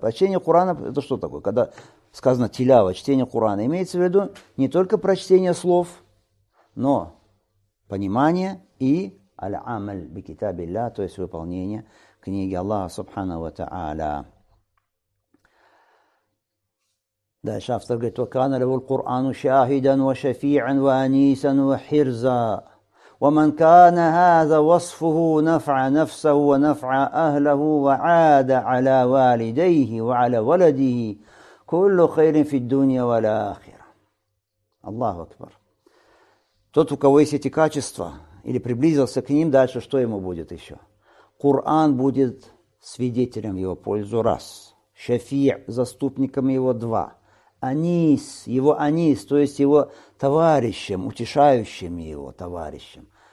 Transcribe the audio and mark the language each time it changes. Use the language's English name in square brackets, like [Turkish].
[Russian] А чтение Корана, это что такое? Когда сказано тилява, чтение Корана, имеется в виду не только прочтение слов, но понимание и [Arabic] аль-амаль бикитабилля, [Russian] то есть выполнение книги Аллаха Субханаху ва Тааля. Дальше автор говорит, [Arabic] وَكَانَ لَهُ الْقُرْآنُ شَاهِدًا وَشَفِيعًا وَأَنِيسًا وَحِرْزًا وَمَنْ كَانَ هَذَا وَصْفُهُ نَفْعَ نَفْسَهُ وَنَفْعَ أَهْلَهُ وَعَادَ عَلَى وَالِدَيْهِ وَعَلَى وَلَدِهِ كُلُّ خَيْرٍ فِي الدُّنْيَا وَالْآخِرَةِ. Аллаху Акбар. [Russian] Тот, у кого есть эти качества, или приблизился к ним, дальше что ему будет еще? Коран будет свидетелем его пользу, раз. Шафи' – заступником его, два. Анис, его анис, то есть его товарищем, утешающим его товарищем.